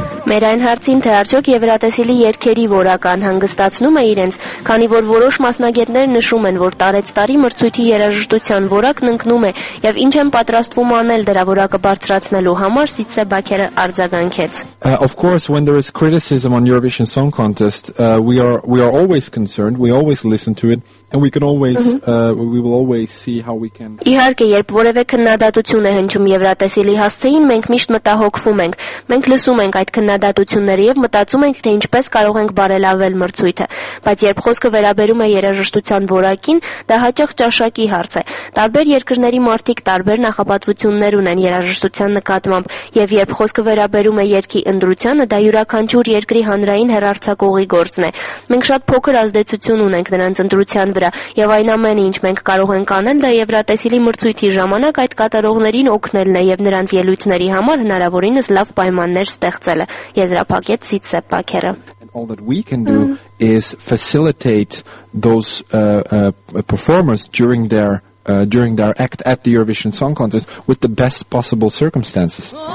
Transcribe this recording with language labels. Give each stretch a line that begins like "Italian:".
Armenian: Մեր այն հարցին, թե արդյոք Եվրատեսիլի երկերի որակն հանգստացնում է իրենց, քանի որ որոշ մասնագետներ նշում են, որ տարեցտարի մրցույթի երաժշտության որակն ընկնում է, եւ ինչ են պատրաստվում անել դրա որակը բարձրացնելու համար, Սիցե Բաքերը արձագանքեց.
English: Of course, when there is criticism on Eurovision Song Contest, we are always concerned, we always listen to it, and we can always we will always see how we can.
Armenian: Իհարկե, երբ որևէ քննադատություն է հնչում Եվրատեսիլի հասցեին, մենք միշտ մտահոգվում ենք։ Մենք լսում ենք այդ հակադատությունների եւ մտածում ենք, թե ինչպես կարող ենք բարելավել մրցույթը։ Բայց երբ խոսքը վերաբերում է երաժշտության որակին, դա հաճախ ճաշակի հարց է։ Տարբեր երկրների մարդիկ տարբեր նախապատվություններ ունեն երաժշտության նկատմամբ, եւ երբ խոսքը վերաբերում է երկրի ընդդրությանը, դա յուրաքանչյուր երկրի հանրային հեռարձակողի գործն է։ Մենք շատ փոքր ազդեցություն ունենք նրանց ընդդրության վրա, եւ այն ամենը, ինչ մենք կարող ենք անել, դա Եվրատեսիլի մրցույթի ժամանակ այդ կատարողներին օգնելն է եւ նրանց ելույթների համար հնարավորինս լավ պայմաններ ստեղծելը։ Եզրափակեց Սիցե Պաքերը։
English: All that we can do is facilitate those performers during their act at the Eurovision Song Contest with the best possible circumstances.